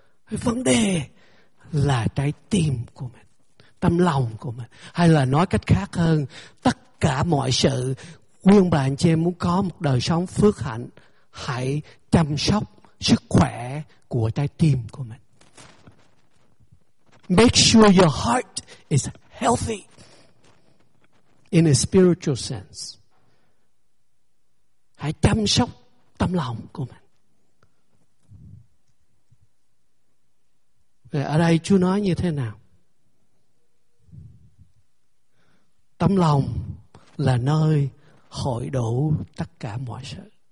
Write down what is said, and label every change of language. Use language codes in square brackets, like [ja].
[vi] Vấn đề là trái tim của mình, tâm lòng của mình. Hay là nói cách khác hơn, tất cả mọi sự, quý ông bà anh chị em muốn có một đời sống phước hạnh, hãy chăm sóc sức khỏe của trái tim của mình. [en] Make sure your heart is healthy in a spiritual sense. [vi] Hãy chăm sóc tâm lòng của mình. Ở đây Chúa nói như thế nào? Tấm lòng là nơi hội đủ tất cả mọi sự.